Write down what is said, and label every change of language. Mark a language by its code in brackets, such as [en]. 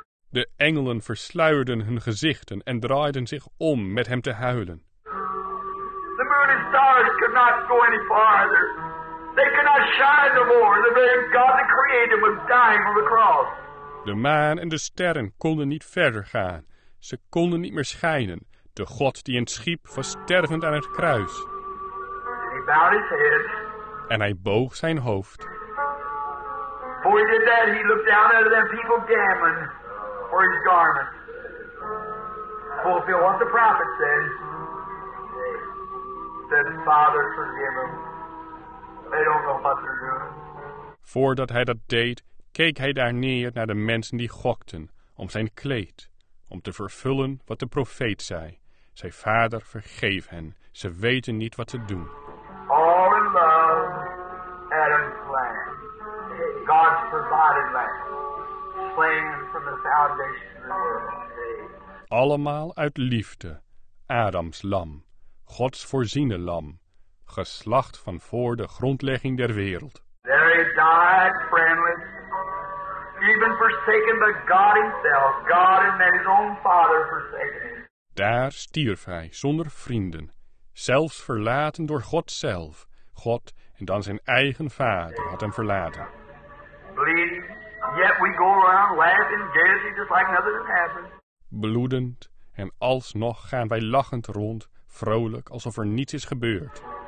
[nl] De engelen versluierden hun gezichten en draaiden zich om met hem te huilen. [en] The moon and stars could not go any farther. They could not shine no more. The very God that created them was dying on the cross. [nl] De maan en de sterren konden niet verder gaan. Ze konden niet meer schijnen. De God die hen schiep was stervend aan het kruis. [en] And he bowed his head. [nl] En hij boog zijn hoofd. [en] Before he did that, he looked down at them people gambling for his garments. Fulfill what the prophet said. Said, Father, forgive them. They don't know what they're doing. [nl] Voordat hij dat deed, keek hij daar neer naar de mensen die gokten om zijn kleed, om te vervullen wat de profeet zei. Zijn vader vergeef hen, ze weten niet wat ze doen. [en] All in love, Adam's land, God's provided land, slain from the foundation of the world. [nl] Allemaal uit liefde, Adams lam, Gods voorziene lam, geslacht van voor de grondlegging der wereld. [en] There he died, friendless. Even forsaken by God himself, God and then his own father forsaken him. [nl] Daar stierf hij zonder vrienden, zelfs verlaten door God zelf. God en dan zijn eigen vader had hem verlaten. [en] Bleeding, yet we go around laughing, gazing just like nothing has happened. [nl] Bloedend en alsnog gaan wij lachend rond, vrolijk alsof er niets is gebeurd.